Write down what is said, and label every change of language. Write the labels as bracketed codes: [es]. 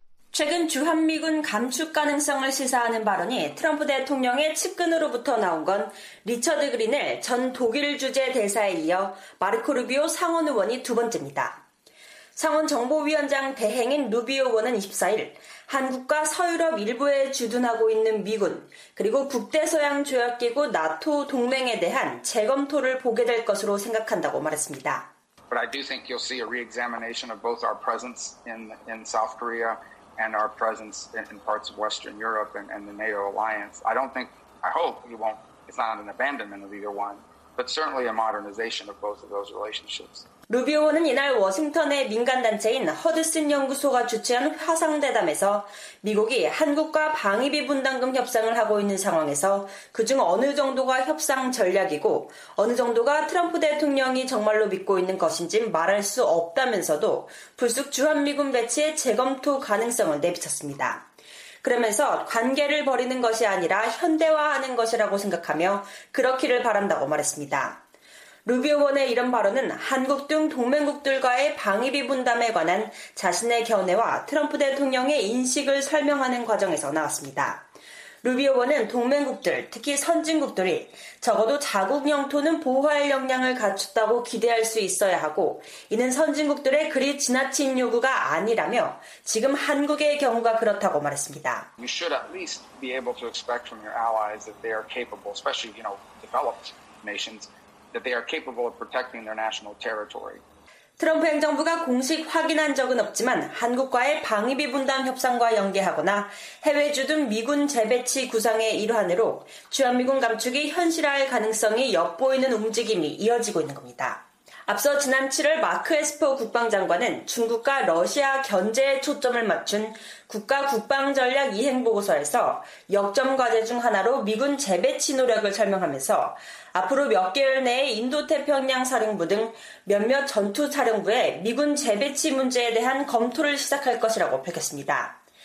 [ko] 최근 주한미군 감축 가능성을 시사하는 발언이 트럼프 대통령의 측근으로부터 나온 건 리처드 그린을 전 독일 주재 대사에 이어 마르코 루비오 상원 의원이 두 번째입니다. 상원 정보위원장 대행인 루비오 의원은 24일 한국과 서유럽 일부에 주둔하고 있는 미군 그리고 북대서양 조약기구 나토 동맹에 대한 재검토를 보게 될 것으로 생각한다고 말했습니다. [en] But I do think you'll see a re-examination of both our presence in South Korea and our presence in parts of Western Europe and the NATO alliance. I don't think, I hope you won't, it's not an abandonment of either one, but certainly a modernization of both of those relationships. [ko] 루비오는 이날 워싱턴의 민간단체인 허드슨 연구소가 주최한 화상대담에서 미국이 한국과 방위비 분담금 협상을 하고 있는 상황에서 그중 어느 정도가 협상 전략이고 어느 정도가 트럼프 대통령이 정말로 믿고 있는 것인지 말할 수 없다면서도 불쑥 주한미군 배치의 재검토 가능성을 내비쳤습니다. 그러면서 관계를 벌이는 것이 아니라 현대화하는 것이라고 생각하며 그렇기를 바란다고 말했습니다. 루비오 의원의 이런 발언은 한국 등 동맹국들과의 방위비 분담에 관한 자신의 견해와 트럼프 대통령의 인식을 설명하는 과정에서 나왔습니다. 루비오 의원은 동맹국들, 특히 선진국들이 적어도 자국 영토는 보호할 역량을 갖췄다고 기대할 수 있어야 하고 이는 선진국들의 그리 지나친 요구가 아니라며 지금 한국의 경우가 그렇다고 말했습니다. [en] You should at least be able to expect from your allies that they are capable, especially, you know, developed nations. That they are capable of protecting their national territory. [ko] 트럼프 행정부가 공식 확인한 적은 없지만 한국과의 방위비 분담 협상과 연계하거나 해외 주둔 미군 재배치 구상의 일환으로 주한미군 감축이 현실화할 가능성이 엿보이는 움직임이 이어지고 있는 겁니다. 앞서 지난 7월 마크 에스퍼 국방장관은 중국과 러시아 견제에 초점을 맞춘 국가 국방전략 이행보고서에서 역점 과제 중 하나로 미군 재배치 노력을 설명하면서 앞으로 몇 개월 내에 인도태평양 사령부 등 몇몇 전투 사령부에 미군 재배치 문제에 대한 검토를 시작할 것이라고 밝혔습니다.